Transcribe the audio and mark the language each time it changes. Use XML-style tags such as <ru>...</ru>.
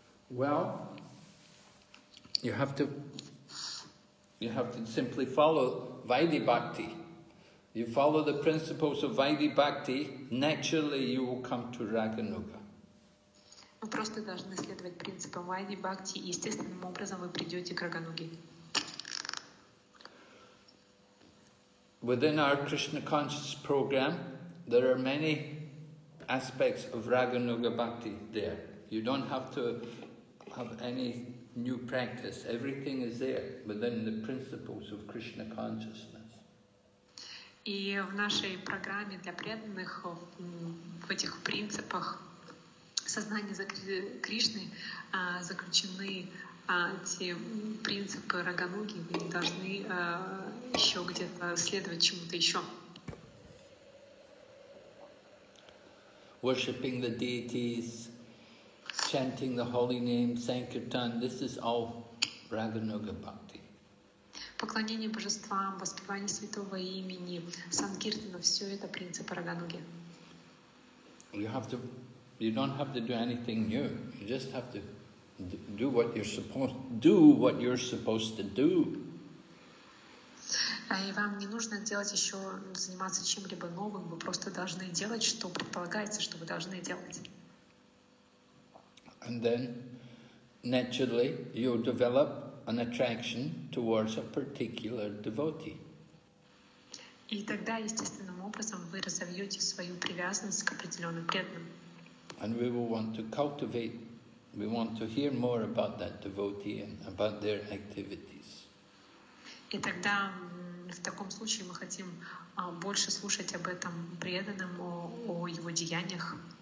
<en>Well, you have to simply follow Vairi Bhakti. You follow the principles of Vairi Bhakti, naturally you will come to Raganuga.</en> <ru>Вы просто должны следовать принципам Vairi Bhakti, и естественным образом вы придете к Рагануге.</ru> <en>Within our Krishna Conscious Program, there are many aspects of Raganuga Bhakti there. You don't have to have any new practice. Everything is there within the principles of Krishna Consciousness.</en> <ru>И в нашей программе для преданных в этих принципах сознания Кришны заключены те принципы Рагануги, вы должны еще где-то следовать чему-то еще.</ru> <en>Worshipping the deities, chanting the holy name, sankirtan, this is all Raganuga bhakti.</en> <ru>Поклонение божествам, воспевание святого имени, санкиртана, все это принципы Рагануги.</ru> <en>You don't have to do anything new. You just have to do what you're supposed to do. What you're supposed to do.</en> <ru>И вам не нужно делать еще заниматься чем-либо новым. Вы просто должны делать, что предполагается, что вы должны делать.</ru> <en>And then, naturally, you develop an attraction towards a particular devotee.</en> <ru>И тогда естественным образом вы разовьете свою привязанность к определенным преданным.</ru> <en>And we will want to cultivate. We want to hear more about that devotee and about their activities.</en> <ru>И тогда в таком случае мы хотим больше слушать об этом преданном, о его деяниях.</ru>